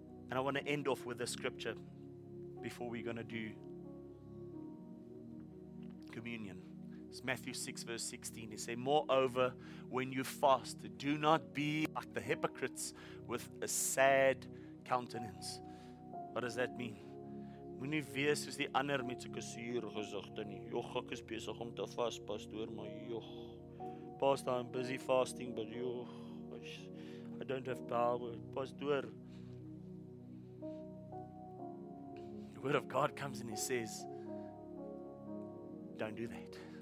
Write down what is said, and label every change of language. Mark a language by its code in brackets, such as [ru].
[en] And I want to end off with a scripture before we're going to do communion. It's Matthew 6, verse 16. It says, "Moreover, when you fast, do not be like the hypocrites with a sad countenance." What does that mean? [af] Moenie wees soos die ander met so 'n suur gesigte nie. Jogg, ek is besig om te vas, pastoor, maar jogg. [en] Pastoor, I'm busy fasting, but jogg, I don't have power. Pastoor. The word of God comes and He says, don't do that.